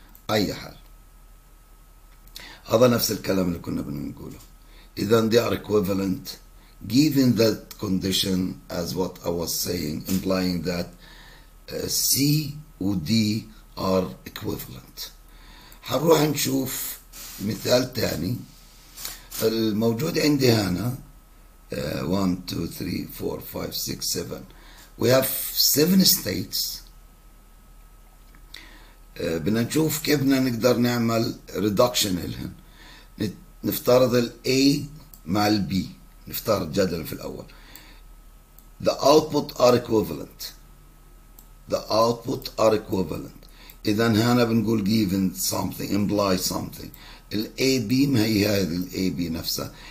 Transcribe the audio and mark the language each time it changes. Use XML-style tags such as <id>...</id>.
<ar>أي حال هذا نفس الكلام اللي كنا بنقوله. إذا</ar> <en>they are equivalent given that condition as what I was saying, implying that C و D are equivalent.</en> <ar>هنروح نشوف مثال تاني. الموجود عندي هنا 1 2 3 4 5 6 7.</ar> <en>We have 7 states.</en> <ar>بدنا نشوف كيف بدنا نقدر نعمل reduction لهن. نفترض الـ A مع الـ B, نفترض جدلا في الأول.</ar> <en>The output are equivalent. The output are equivalent.</en> <ar>إذا هنا بنقول</ar> <en>given something imply something.</en> <ar>ال A B ما هي هذه ال A B نفسها.</ar>